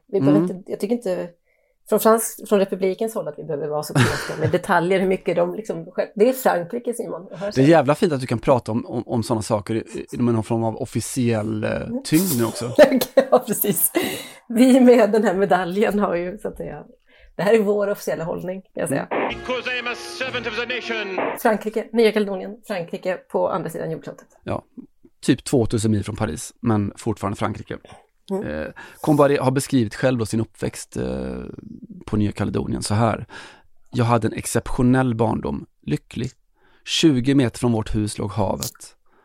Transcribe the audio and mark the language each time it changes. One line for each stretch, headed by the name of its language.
Swedish: Vi behöver inte, jag tycker inte från republikens håll att vi behöver vara så korrekta med detaljer, hur mycket de liksom... Det är Frankrike, Simon. Det är jävla fint att du kan prata om sådana saker i någon form av officiell tyngd nu också. Ja, precis. Vi med den här medaljen har ju så att säga... Det här är vår officiella hållning, kan jag säga.
English: Because I am a servant of the nation.
Swedish: Frankrike, Nya Kaledonien, Frankrike på andra sidan jordklotet. Ja, typ 2000 mil från Paris, men fortfarande Frankrike. Mm. Comboiré har beskrivit själv då sin uppväxt på Nya Kaledonien så här. Jag hade en exceptionell barndom, lycklig. 20 meter från vårt hus låg havet.